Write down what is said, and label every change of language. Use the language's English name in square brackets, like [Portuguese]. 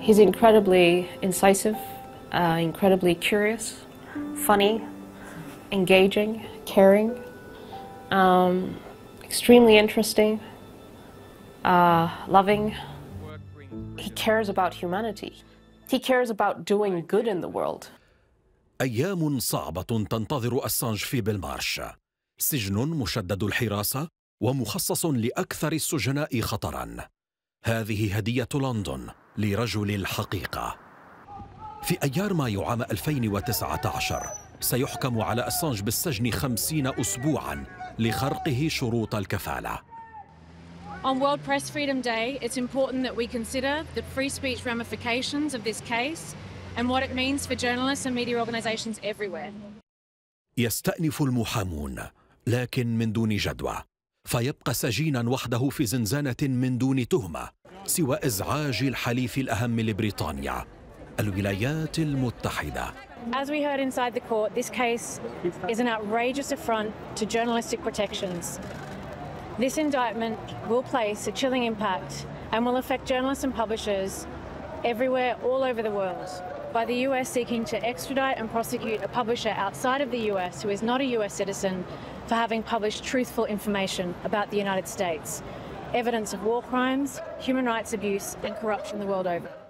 [English] He's incredibly incisive, incredibly curious, funny, engaging, caring, extremely interesting, loving. He cares about humanity. He cares about doing good in the world. [Arabic] أيام صعبة تنتظر أسانج في بلمارش. سجن مشدد الحراسة ومخصص لأكثر السجناء خطراً. هذه هدية لندن لرجل الحقيقة. في أيار مايو عام 2019 سيحكم على أسانج بالسجن 50 أسبوعاً لخرقه شروط الكفالة. [English] On World Press Freedom Day, it's important that we consider the free speech ramifications of this case and what it means for journalists and media organizations everywhere. [Arabic] يستأنف المحامون لكن من دون جدوى فيبقى سجينا وحده في زنزانة من دون تهمة سوى إزعاج الحليف الأهم لبريطانيا الولايات المتحدة. [English] As we heard inside the court, this case is an outrageous affront to journalistic protections. This indictment will place a chilling impact and will affect journalists and publishers everywhere, all over the world, by the US seeking to extradite and prosecute a publisher outside of the US who is not a US citizen for having published truthful information about the United States, evidence of war crimes, human rights abuse, and corruption the world over.